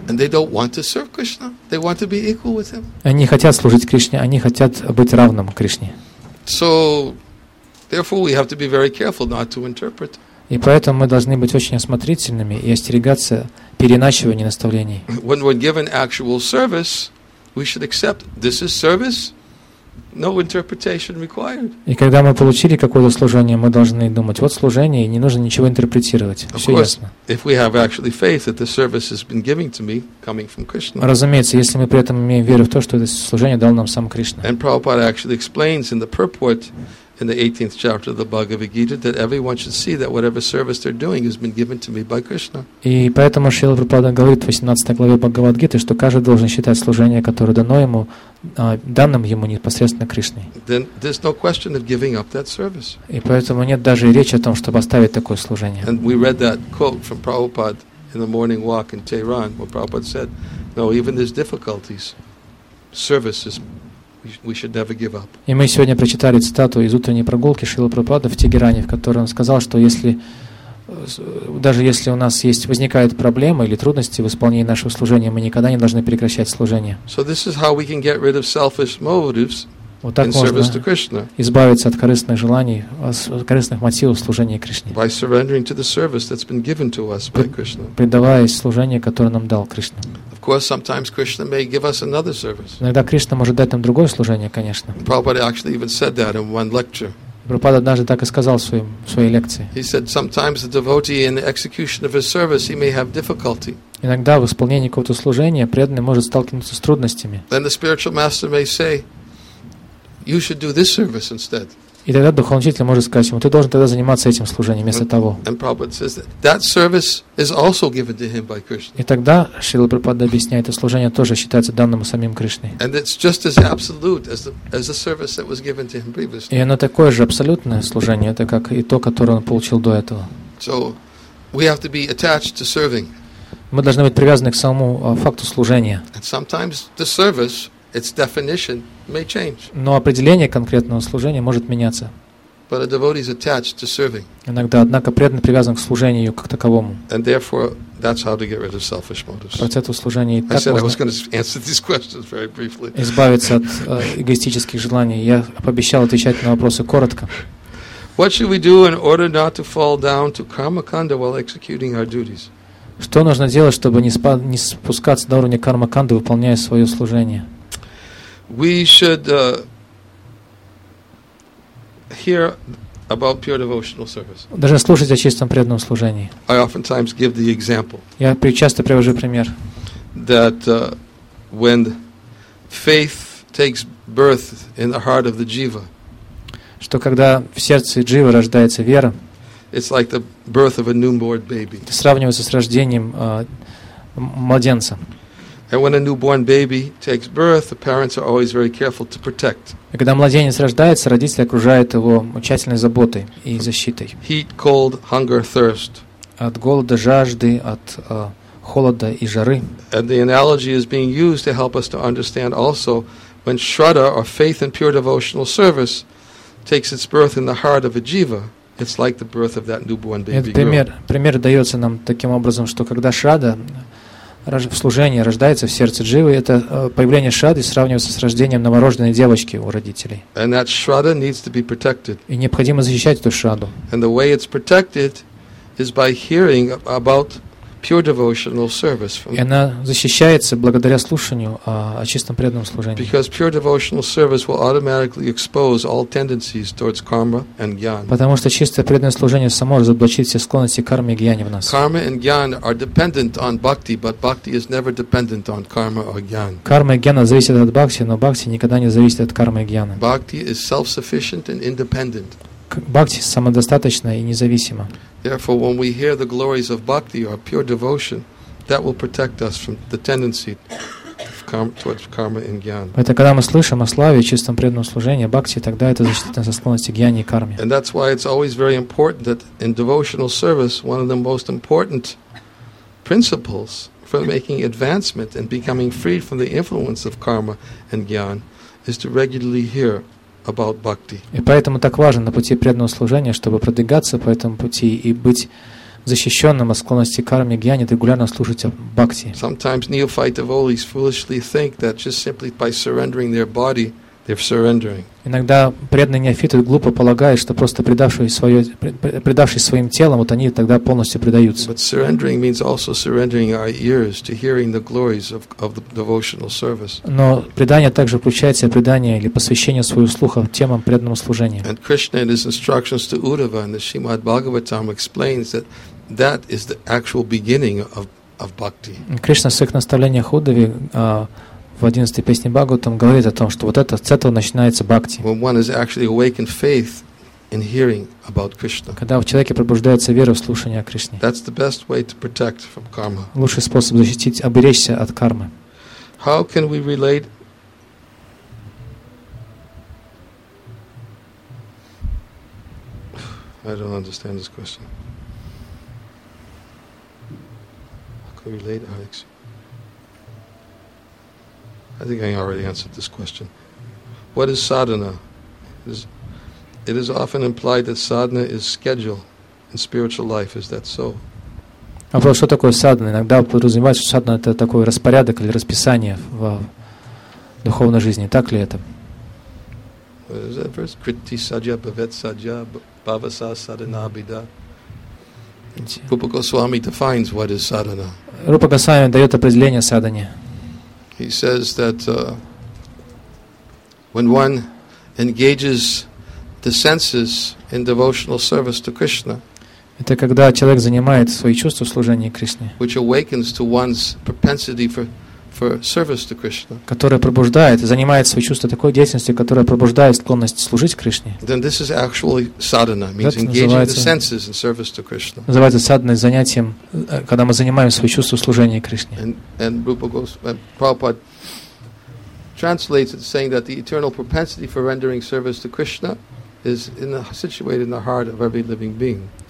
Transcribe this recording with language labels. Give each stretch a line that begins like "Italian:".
English: And they don't want to serve Krishna. They want to be equal with him.
Russian: Они хотят служить Кришне. Они хотят быть равным Кришне.
English: So, therefore, we have to be very careful not to interpret.
Russian: И поэтому мы должны быть очень осмотрительными и остерегаться переначивания наставлений.
English: When we're given actual service, we should accept this is service. No interpretation required.
Russian: И когда мы получили какое-то служение, мы должны думать: вот служение, и не нужно ничего интерпретировать. Все ясно.
English: If we have actually faith that the service has been given to me coming from Krishna.
Russian: Разумеется, если мы при этом имеем веру в то, что это служение дал нам сам Кришна.
English: And Prabhupada actually explains in the purport in the 18th chapter of the Bhagavad Gita that everyone should see that whatever service they're doing has been given to me by Krishna.
Russian: И поэтому Шрила Прабхупада говорит в 18 главе Бхагавад Гиты, что каждый должен считать служение, которое дано ему, данным ему непосредственно Кришной.
English: Then there's no question of giving up that service.
Russian: И поэтому нет даже речи о том, чтобы оставить такое служение.
English: And we read that quote from Prabhupada in the morning walk in Tehran, where Prabhupada said, no, even there's difficulties, service is we should never give up.
Russian: И мы сегодня прочитали цитату из утренней прогулки Шрилы Прабхупады в Тегеране, в которой он сказал, что даже если у нас возникает проблема или трудности в исполнении нашего служения, мы никогда не должны прекращать служение.
English: So this is how we can get rid of selfish motives.
Russian: Вот так можно избавиться от корыстных желаний, от корыстных мотивов служения Кришне.
English: By surrendering to the service that's been given to us by Krishna.
Russian: Предаваясь служению, которое нам дал Кришна.
English: Of course, sometimes Krishna may give us another service.
Russian: Иногда Кришна может дать нам другое служение, конечно.
English: Prabhupada actually even said that in one lecture.
Russian: Прабхупада однажды так и сказал в своей лекции.
English: He said sometimes the devotee in the execution of his service he may have difficulty.
Russian: Иногда в исполнении какого-то служения преданный может сталкиваться с трудностями.
English: Then the spiritual master may say, you should do this service instead.
Russian: И тогда духовный учитель может сказать ему: ты должен тогда заниматься этим служением вместо того.
English: And Prabhupada says that service is also given to him by Krishna.
Russian: И тогда Шрила Прабхупада объясняет, это служение тоже считается данным самим Кришной.
English: And it's just as absolute as the service that was given to him previously.
Russian: И оно такое же абсолютное служение, это как и то, которое он получил до этого.
English: So we have to be attached to serving.
Russian: Мы должны быть привязаны к самому факту служения.
English: And sometimes the service, its definition may change.
Russian: Но определение конкретного служения может меняться.
English: But a devotee is attached to serving.
Russian: Иногда, однако, преданный привязан к служению как таковому.
English: And therefore, that's how to get rid of selfish motives.
Russian: Процесс этого служения и так можно.
English: I said I was going to answer these questions very briefly.
Russian: Избавиться от эгоистических желаний. Я пообещал отвечать на вопросы коротко.
English: What should we do in order not to fall down to karmakanda while executing our duties?
Russian: Что нужно делать, чтобы не спускаться до уровня кармаканды, выполняя свое служение?
English: We should hear about pure devotional service.
Russian: Даже слушать о чистом преданном служении.
English: I oftentimes give the example.
Russian: Я часто привожу пример.
English: That when faith takes birth in the heart of the jiva.
Russian: Что когда в сердце дживы рождается вера.
English: It's like the birth of a newborn baby.
Russian: Сравнивается с рождением младенца.
English: And when a newborn baby takes birth, the parents are always very careful to protect.
Russian: Когда младенец рождается, родители окружают его тщательной заботой и защитой.
English: Heat, cold, hunger, thirst.
Russian: От голода, жажды, от холода и жары.
English: And the analogy is being used to help us to understand also when shraddha or faith in pure devotional service takes its birth in the heart of a jiva. It's like the birth of that newborn baby.
Russian: Пример дается нам таким образом, что когда шрада служение рождается в сердце дживы, это появление шрады сравнивается с рождением новорожденной девочки у родителей.
English: And that shraddha needs to be protected.
Russian: И необходимо защищать эту шрадду.
English: And the way it's protected is by hearing about pure devotional service.
Russian: И она защищается благодаря слушанию о чистом преданном служении.
English: Because pure devotional service will automatically expose all tendencies towards karma and jnana.
Russian: Потому что чистое преданное служение само разоблачит все склонности к карме и гьяне в нас.
English: Karma and jnana are dependent on bhakti, but bhakti is never dependent on karma or jnana.
Russian: Карма и гьяна зависят от бхакти, но бхакти никогда не зависит от кармы и гьяны.
English: Bhakti is self-sufficient and independent.
Russian: Бхакти самодостаточна и независима.
English: Therefore, when we hear the glories of bhakti or pure devotion, that will protect us from the tendency towards karma and jnana.
Russian: Это когда мы слышим о славе и чистом преданном служении бхакти, тогда это защитит нас от склонности к гьяне и карме.
English: And that's why it's always very important that in devotional service, one of the most important principles for making advancement and becoming free from the influence of karma and jnana is to regularly hear about bhakti.
Russian: И поэтому так важно на пути преданного служения, чтобы продвигаться по этому пути и быть защищенным от склонности к карме и гьяне, регулярно слушать о бхакти.
English: Sometimes neophyte devotees foolishly think that just simply by surrendering their body, they're surrendering.
Russian: Иногда преданные неофиты глупо полагают, что просто предавшись своим телом, вот они тогда полностью предаются.
English: But surrendering means also surrendering our ears to hearing the glories of the devotional service.
Russian: Но предание также включает себя предание или посвящение своих слухов темам преданного служения.
English: And Krishna in his instructions to Uddhava in the Srimad Bhagavatam explains that that is the actual beginning of bhakti.
Russian: Кришна в своих наставлениях Уддхаве в 11-й песне Бхагаватам говорит о том, что вот это, с этого начинается бхакти.
English: When one is actually awakened faith in hearing about Krishna.
Russian: Когда в человеке пробуждается вера в слушании о Кришне.
English: That's the best way to protect from karma.
Russian: Лучший способ защитить, оберечься от кармы.
English: How can we relate? I don't understand this question. How can we relate, Alex? I think I already answered this question. What is sadhana? It is often implied that sadhana is schedule in spiritual life. Is that so?
Russian: А вопрос, что такое садхана? Иногда подразумевается, что садхана это такой распорядок или расписание в духовной жизни. Так ли это?
English: What is that verse?
Sanskrit: Kriti sajja, bhavet sajja, bhavasa sadhana abhida.
English: Rupa Goswami defines what is sadhana.
Russian: Рупа Госвами дает определение садхане.
English: He says that when one engages the senses in devotional service to Krishna,
Russian: это когда человек занимает свои чувства в служении Кришне,
English: which awakens to one's propensity for service to Krishna,
Russian: которая пробуждает, занимает свои чувства такой деятельности, которая пробуждает склонность служить Кришне,
English: then this is actually sadhana, means engaging the senses in service to Krishna.
Russian: Называется садхана занятием, когда мы занимаем свои чувства в служении Кришне.
English: And Rupa Goswami, Prabhupada translates it saying that the eternal propensity for rendering service to Krishna is situated in the heart of every living being.